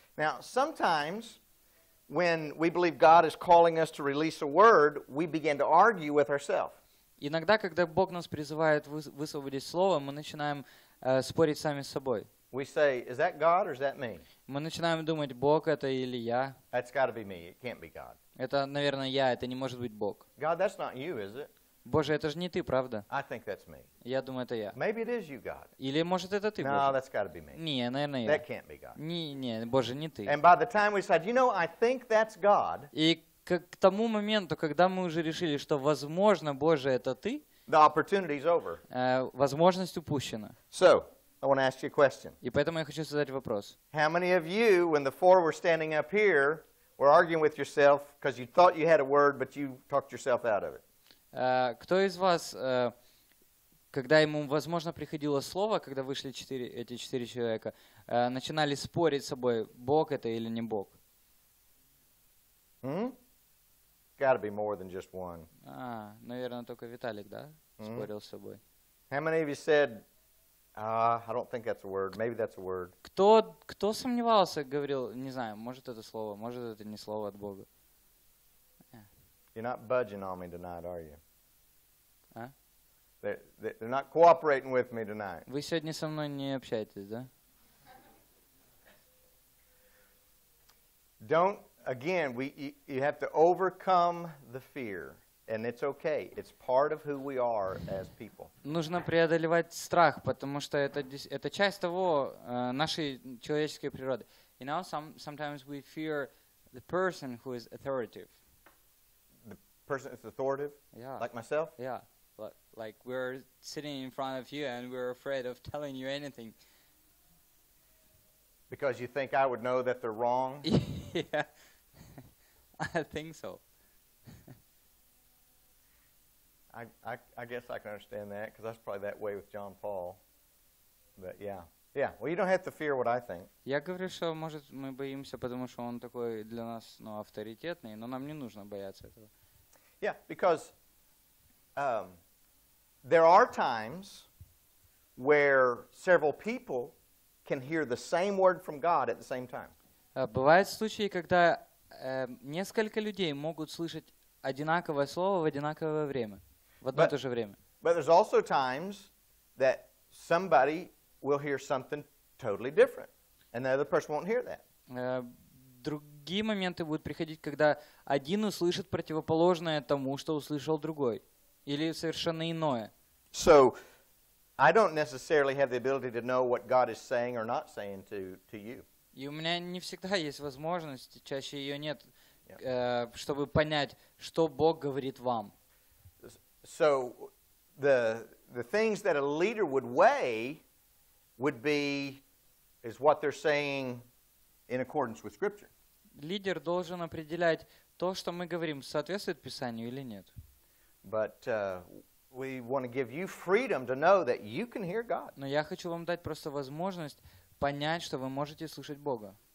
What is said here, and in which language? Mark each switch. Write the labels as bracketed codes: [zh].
[en] Now, sometimes, when we believe God is calling us to release a word, we begin to argue with ourselves. [ru] Иногда, когда Бог нас призывает высвободить слово, мы начинаем спорить сами с собой. [en] We say, is that God or is that me? [ru] Мы начинаем думать, Бог это или я. [en] That's got to be me. It can't be God. [ru] Это, наверное, я. Это не может быть Бог. [en] God, that's not you, is it? [ru] Боже, это же не ты, правда? [en] I think that's me. [ru] Я думаю, это я. [en] Maybe it is you, God. [ru] Или, может, это ты, [en] no, No, that's got to be me. [ru] Не, наверное, я. [en] That can't be God. [ru] Не, Боже, не ты. [en] And by the time we said, you know, I think that's God. [ru] И к тому моменту, когда мы уже решили, что, возможно, Боже, это ты, [en] the opportunity's over. [ru] Возможность упущена. [en] So, I want to ask you a question. [ru] И поэтому я хочу задать вопрос. [en] How many of you, when the four were standing up here, were arguing with yourself because you thought you had a word, but you talked yourself out of it? [ru] Кто из вас, когда ему, возможно, приходило слово, когда вышли эти четыре человека, начинали спорить с собой, Бог это или не Бог? [en] Got to be more than just one. [ru] Наверное, только Виталик, да, спорил с собой. [en] How many of you said, I don't think that's a word. Maybe that's a word. [ru] Кто сомневался, говорил, не знаю, может это слово, может это не слово от Бога. [en] You're not budging on me tonight, are you? А? They're not cooperating with me tonight. [ru] Вы сегодня со мной не общаетесь, да? [en] Don't. Again, you have to overcome the fear, and it's okay. It's part of who we are as people. [ru] Нужно преодолевать страх, потому что это часть того нашей человеческой природы. [en] You know, sometimes we fear the person who is authoritative. The person is authoritative? Yeah. Like myself? Yeah. Like we're sitting in front of you, and we're afraid of telling you anything. Because you think I would know that they're wrong? Yeah, I think so. I guess I can understand that, because that's probably that way with John Paul. But yeah. Yeah, well, you don't have to fear what I think. [ru] Я говорю, что, может, мы боимся, потому что он такой для нас, ну, авторитетный, но нам не нужно бояться этого. [en] Yeah, because there are times where several people can hear the same word from God at the same time. [ru] Бывают случаи, когда несколько людей могут слышать одинаковое слово в одинаковое время, в одно и то же время. [en] But there's also times that somebody will hear something totally different, and the other person won't hear that. [ru] Другие моменты будут приходить, когда один услышит противоположное тому, что услышал другой, или совершенно иное. [en] So, I don't necessarily have the ability to know what God is saying or not saying to you. [ru] И у меня не всегда есть возможность, чаще ее нет, чтобы понять, что Бог говорит вам. [en] So, the things that a leader would weigh would be is what they're saying in accordance with Scripture. [ru] Лидер должен определять то, что мы говорим, соответствует Писанию или нет. [en] We want to give you freedom to know that you can hear God. [ru] Но я хочу вам дать просто возможность понять, что вы можете слышать Бога.